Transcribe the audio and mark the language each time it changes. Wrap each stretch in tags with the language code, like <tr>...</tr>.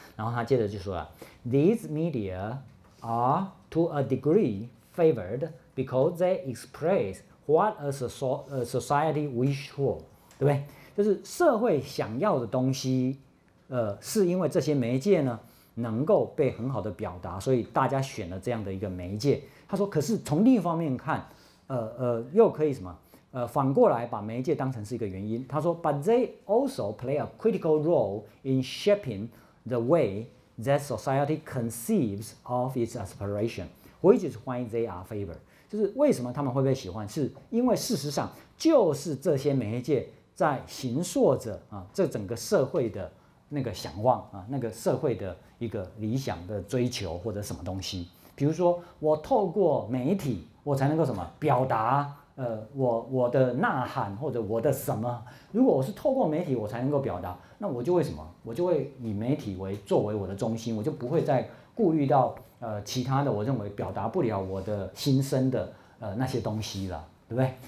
<zh>然后他接着就说了</zh> <en>，these media are to a degree favored because they express what a society wish for，</en> <zh>对不对？就是社会想要的东西，是因为这些媒介呢。能够被很好的表达，所以大家选了这样的一个媒介。他说，可是从另一方面看，又可以什么？反过来把媒介当成是一个原因。他说</zh> <en>，But they also play a critical role in shaping the way that society conceives of its aspiration, which is why they are favored。</en> <zh>就是为什么他们会被喜欢？是因为事实上就是这些媒介在形塑着啊，这整个社会的。那个想望啊，那个社会的一个理想的追求或者什么东西，比如说我透过媒体，我才能够什么表达我的呐喊或者我的什么。如果我是透过媒体我才能够表达，那我就会什么，我就会以媒体为作为我的中心，我就不会再顾虑到其他的，我认为表达不了我的心声的那些东西了，对不对？</zh>